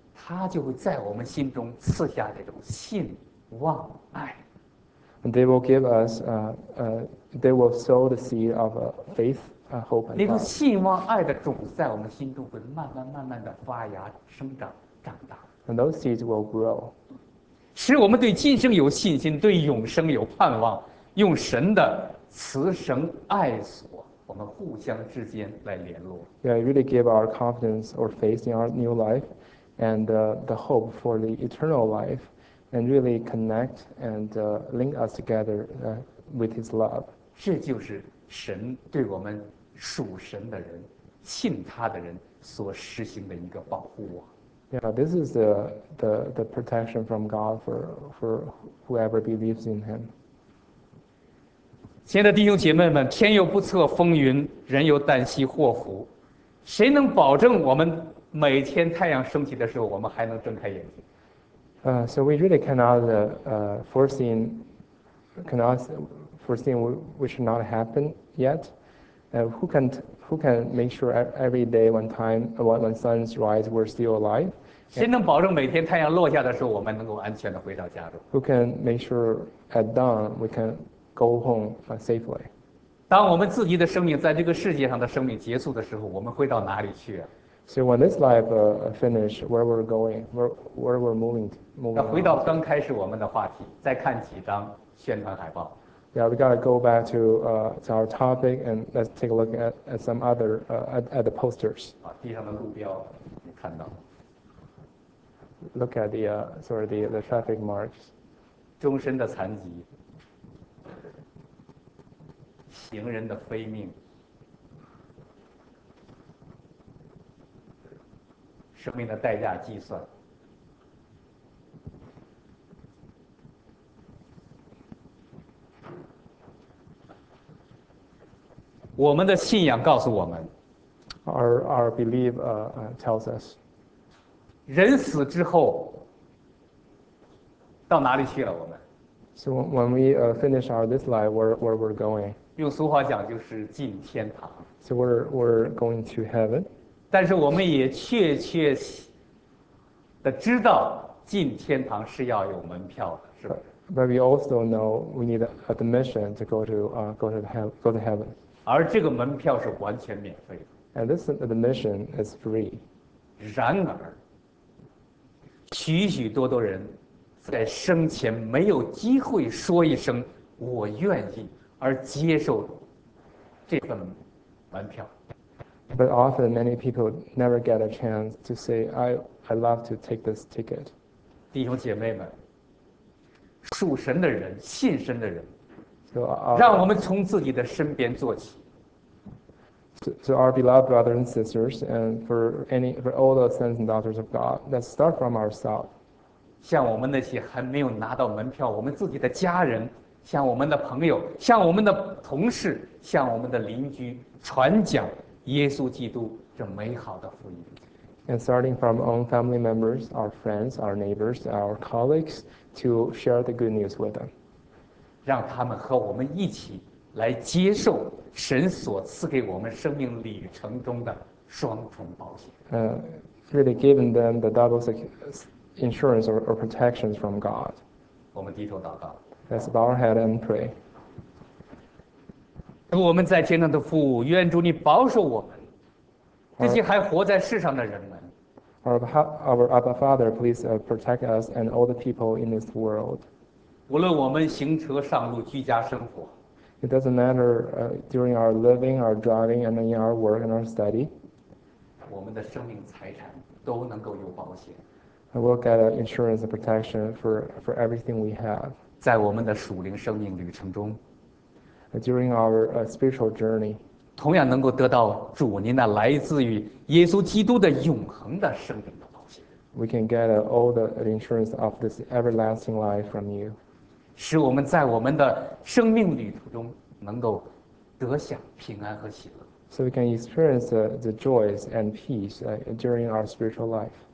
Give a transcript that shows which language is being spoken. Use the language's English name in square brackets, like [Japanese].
[Chinese] 他就会在我们心中赐下这种信望爱。 [English] And they will give us, they will sow the seed of faith, hope, and love. [Chinese] 那种信望爱的种子在我们心中会慢慢慢慢的发芽、生长、长大。 [English] And those seeds will grow. [Chinese] 使我们对今生有信心，对永生有盼望，用神的慈神爱所，我们互相之间来联络。 [English] Yeah, it really give our confidence or faith in our new life, and the hope for the eternal life, and really connect and link us together with His love. [Chinese] 这就是神对我们属神的人、信他的人所实行的一个保护网。 [English] Yeah, this is the protection from God for whoever believes in Him. [Chinese] 亲爱的弟兄姐妹们，天有不测风云，人有旦夕祸福，谁能保证我们每天太阳升起的时候，我们还能睁开眼睛。 [English] So we really cannot foresee which not happen yet. Who can make sure every day when sun's rise we're still alive? [Chinese] 谁能保证每天太阳落下的时候，我们能够安全的回到家中 [English] ？Who can make sure at dawn we can go home safely？ [Chinese] 当我们自己的生命在这个世界上的生命结束的时候，我们会到哪里去啊 [English] ？So when this life finish, where we're going, where we're moving on？ [Chinese] 那回到刚开始我们的话题，再看几张宣传海报。 [English] Yeah, we gotta go back to our topic and let's take a look at some other at the posters. [Chinese] 啊，地上的路标，你看到。 [English] Look at the traffic marks. [Chinese] 终身的残疾，行人的非命，生命的代价计算。我们的信仰告诉我们。 [English] Our belief tells us. [Chinese] 人死之后到哪里去了？我们 [English] ？So when we finish our this life, where we're going? [Chinese] 用俗话讲，就是进天堂。 [English] So we're going to heaven. [Chinese] 但是我们也确切的知道，进天堂是要有门票的，是吧 [English] ？But we also know we need admission to go to heaven. [Chinese] 而这个门票是完全免费的。 [English] And this admission is free. [Chinese] 然而。许许多多人在生前没有机会说一声“我愿意”，而接受这份门票。 [English] But often many people never get a chance to say, "I love to take this ticket." [Chinese] 弟兄姐妹们，属神的人、信神的人， [English] so [Chinese] our, 让我们从自己的身边做起。 [English] So our beloved brothers and sisters, and for all the sons and daughters of God, let's start from ourselves. [Chinese] 像我们那些还没有拿到门票，我们自己的家人，像我们的朋友，像我们的同事，像我们的邻居，传讲耶稣基督这美好的福音。 [English] And starting from our own family members, our friends, our neighbors, our colleagues, to share the good news with them. [Chinese] 让他们和我们一起。来接受神所赐给我们生命旅程中的双重保险。 [English] Really giving them the double insurance or protections from God. [Chinese] 我们低头祷告。 [English] Let's bow our head and pray. [Chinese] 主，我们在天上的父，愿主你保守我们这些还活在世上的人们。 [English] Our Abba Father, please protect us and all the people in this world. [Chinese] 无论我们行车上路，居家生活。 [English] It doesn't matter during our living, our driving, and in our work and our study. [Chinese] 我们的生命财产都能够有保险。 [English] And we'll get insurance and protection for everything we have. [Chinese] 在我们的属灵生命旅程中 [English] during our spiritual journey. [Chinese] 同样能够得到主您那来自于耶稣基督的永恒的生命的保险。 [English] We can get all the insurance of this everlasting life from you. [Chinese] 使我们在我们的生命旅途中能够得享平安和喜乐。 [English] So we can experience the joys and peace during our spiritual life.